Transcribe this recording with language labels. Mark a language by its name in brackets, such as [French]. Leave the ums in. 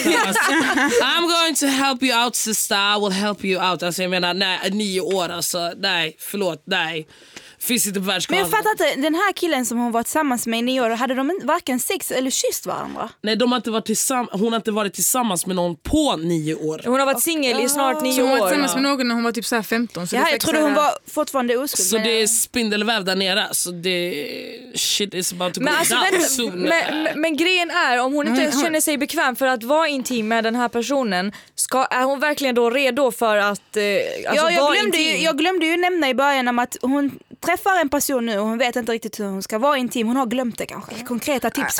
[English] alltså, I'm going to help you out sister, I will help you out. [Swedish] Alltså jag menar, nej, nio år alltså, nej, förlåt, nej. Finns inte på Men jag världskartan. fattar inte, den här killen som hon var tillsammans med i nio år, hade de in- varken sex eller kysst varandra? Nej, de har inte varit tillsamm- hon har inte varit tillsammans med någon på nio år. Hon har varit singel i snart så nio hon var år. tillsammans med någon när hon var typ så här 15. Så det Ja, är säkert trodde så hon här- var fortfarande oskuld. Så men- det är spindelväv där nere. [English] Så det, shit is about to go [Swedish] Men, alltså, [English] down [Swedish] vänta, [English] soon. [Swedish] men, men, men grejen är om hon inte ens känner sig bekväm för att vara intim med den här personen, ska, är hon verkligen då redo för att eh, alltså, ja, jag, vara glömde intim? ju, jag glömde ju nämna i början om att hon träffar en person nu och hon vet inte riktigt hur hon ska vara intim. Hon har glömt det kanske. Konkreta tips